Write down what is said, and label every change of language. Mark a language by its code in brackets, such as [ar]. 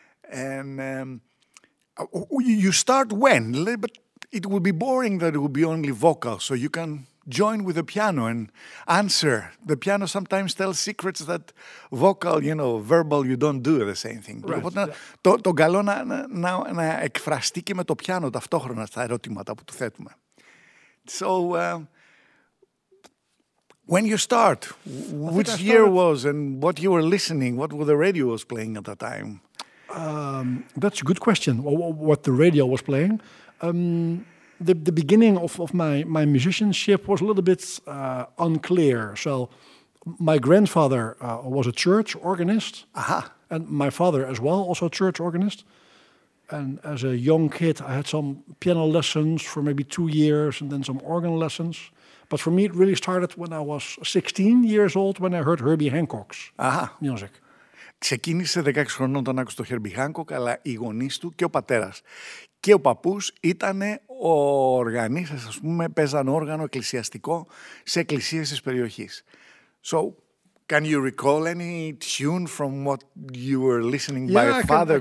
[en] And you start when? But it would be boring that it would be only vocal, so you can join with the piano and answer. The piano sometimes tells secrets that vocal, you know, verbal, you don't do the same thing. Right. [el] Οπότε, το καλό να εκφραστεί και με το πιάνο ταυτόχρονα στα ερωτήματα που του θέτουμε. [en] So, when you start, which year was and what you were listening, what were the radio was playing at that time? That's a good question, what the radio was playing. The beginning of my musicianship was a little bit unclear. So my grandfather was a church organist. Aha. And my father as well, also a church organist. And as a young kid, I had some piano lessons for maybe 2 years and then some organ lessons. But for me, it really started when I was 16 years old when I heard Herbie Hancock's music. [el] Ξεκίνησε 16 χρονών όταν άκουσε το Herbie Hancock, αλλά οι γονείς του και ο πατέρας και ο παππούς ήταν οργανίστες, ας πούμε, παίζαν όργανο εκκλησιαστικό σε εκκλησίες της περιοχής. [en] So, can you recall any tune from what you were listening by your father?